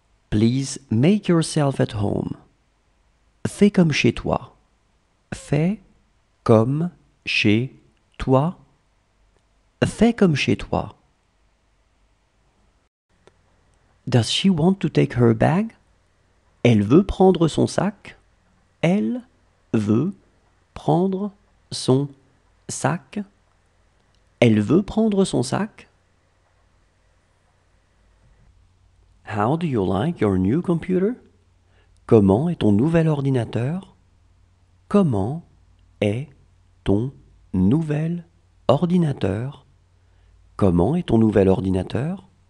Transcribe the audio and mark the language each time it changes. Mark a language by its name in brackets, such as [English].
[English] Please make yourself at home. [French] Fais comme chez toi. Fais comme chez toi. Fais comme chez toi. [English] Does she want to take her bag? [French] Elle veut prendre son sac. Elle veut prendre son sac. Elle veut prendre son sac. [English] How do you like your new computer? [French] Comment est ton nouvel ordinateur? Comment est ton nouvel ordinateur? Comment est ton nouvel ordinateur?